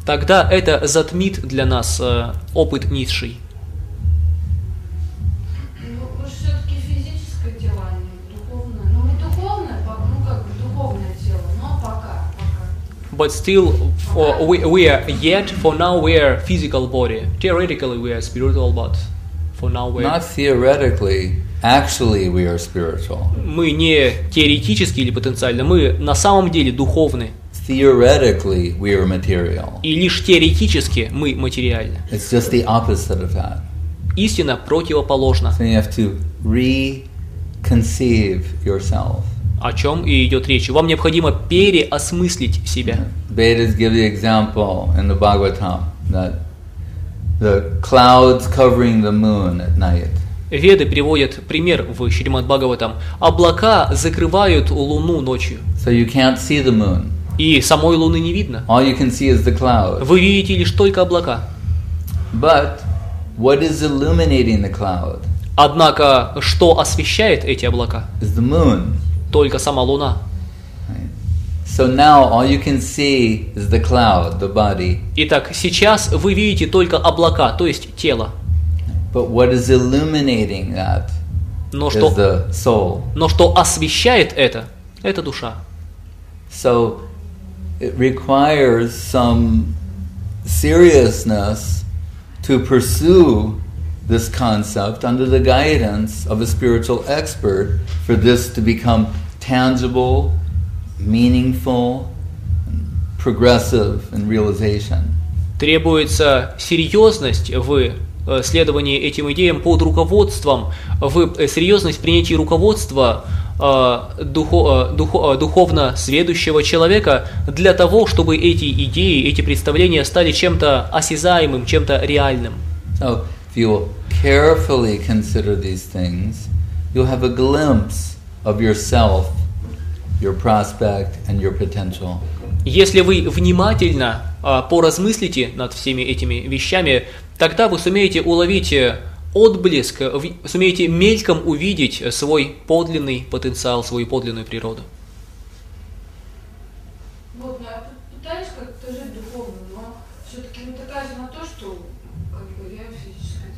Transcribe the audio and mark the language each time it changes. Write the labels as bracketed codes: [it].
[ru] Тогда это затмит для нас опыт низший. Ну, мы же все-таки физическое тело, а не духовное. Ну, не духовное, ну, как бы духовное тело, но пока. [en] But still, for now we are physical body. Theoretically we are spiritual, but for now we are... Not theoretically. Actually, we are spiritual. [ru] Мы не теоретически или потенциально, мы на самом деле духовны. [en] Theoretically, we are material. [ru] И лишь теоретически мы материальны. [en] It's just the opposite of that. [ru] Истина противоположна. [en] So you have to reconceive yourself. [ru] О чем и идет речь? Вам необходимо переосмыслить себя. [en] Vedas give the example in the Bhagavatam that the clouds covering the moon at night. [ru] Веды приводят пример в Шримад-Бхагаватам. Облака закрывают луну ночью. [en] So you can't see the moon. [ru] И самой луны не видно. [en] All you can see is the cloud. [ru] Вы видите лишь только облака. [en] But what is illuminating the cloud? [ru] Однако, что освещает эти облака? [en] Is the moon. [ru] Только сама луна. [en] So now all you can see is the cloud, the body. [ru] Итак, сейчас вы видите только облака, то есть тело. [en] But what is illuminating that is the soul. [ru] Но что освещает это душа. [en] So it requires some seriousness to pursue this concept under the guidance of a spiritual expert for this to become tangible, meaningful, progressive in realization. [ru] Требуется серьезность в следование этим идеям под руководством, в серьезность принятия руководства духовно сведущего человека для того, чтобы эти идеи, эти представления стали чем-то осязаемым, чем-то реальным. [en] So, if you carefully consider these things, you'll have a glimpse of yourself, your prospect, and your potential. [ru] Если вы внимательно поразмыслите над всеми этими вещами, тогда вы сумеете уловить отблеск, сумеете мельком увидеть свой подлинный потенциал, свою подлинную природу. Вот, ну, я пытаюсь как-то жить духовно, но все-таки натыкаюсь на то, что как бы я физически.